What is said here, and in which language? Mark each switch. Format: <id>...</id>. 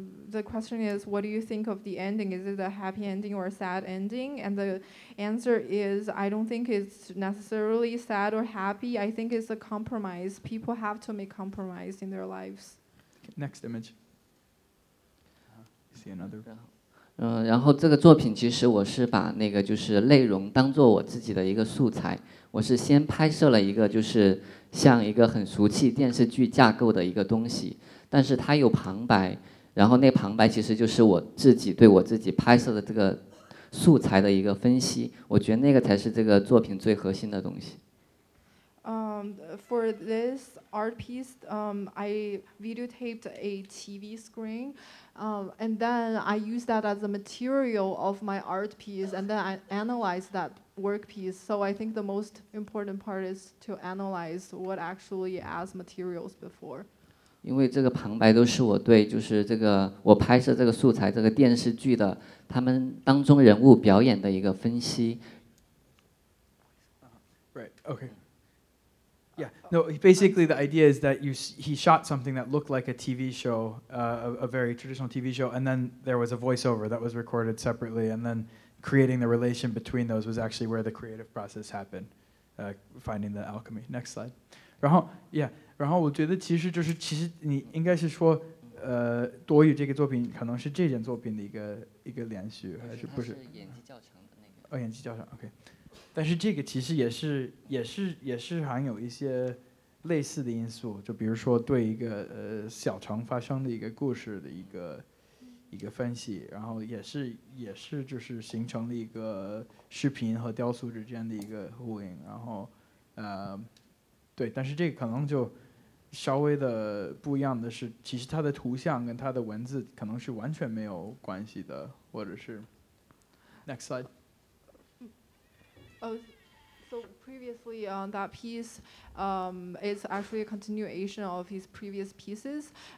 <en>The question is, what do you think of the ending? Is it a happy ending or a sad ending? And the answer is, I don't think it's necessarily sad or happy. I think it's a compromise. People have to make compromise in their lives. Next image.</en> <zh>然后这个作品其实我是把那个就是内容当做我自己的一个素材，我是先拍摄了一个就是像一个很俗气电视剧架构的一个东西，但是它有旁白，然后那旁白其实就是我自己对我自己拍摄的这个素材的一个分析，我觉得那个才是这个作品最核心的东西。</zh> <en>For this art piece, I videotaped a TV screen, and then I used that as a material of my art piece, and then I analyzed that work piece. So I think the most important part is to analyze what actually as materials before.</en> <zh>因为这个旁白都是我对，就是这个我拍摄这个素材，这个电视剧的他们当中人物表演的一个分析。</zh> <en>Right. Okay. Yeah, no, basically the idea is that he shot something that looked like a TV show, a very traditional TV show, and then there was a voiceover that was recorded separately, and then creating the relation between those was actually where the creative process happened, finding the alchemy. Next slide.</en> <zh>然后, yeah, 然后我觉得其实就是其实你应该是说多于这个作品可能是这件作品的一个连续，还是不是？它是演技较长的那个。哦，演技较长，OK。但是这个其实也是含有一些类似的因素，就比如说对一个小城发生的一个故事的一个分析，然后也是就是形成了一个视频和雕塑之间的一个呼应，然后对，但是这个可能就稍微的不一样的是，其实它的图像跟它的文字可能是完全没有关系的，或者是</zh> <en>next slide。 So previously on that piece, it's actually a continuation of his previous pieces.</en>